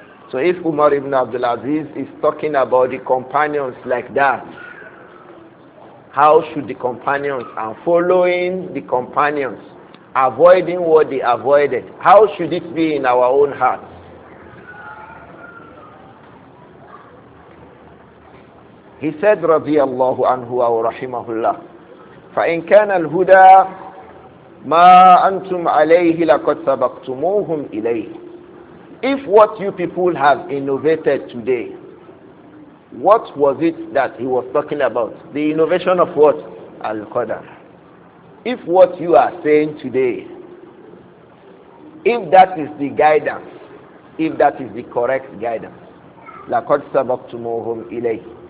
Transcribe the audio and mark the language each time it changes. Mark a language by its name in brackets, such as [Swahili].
[English] So if Umar ibn Abdul Aziz is talking about the companions like that, how should the companions, and following the companions, avoiding what they avoided, how should it be in our own hearts? He said, [Arabic] رضي الله عنه ورحمه الله فإن كان الهدى ما أنتم عليه لقد سبقتموهم إليه. [English] If what you people have innovated today, what was it that he was talking about? The innovation of what? Al-Qadr. If what you are saying today, if that is the guidance, if that is the correct guidance, [Arabic] لقد سبقتموهم إليه.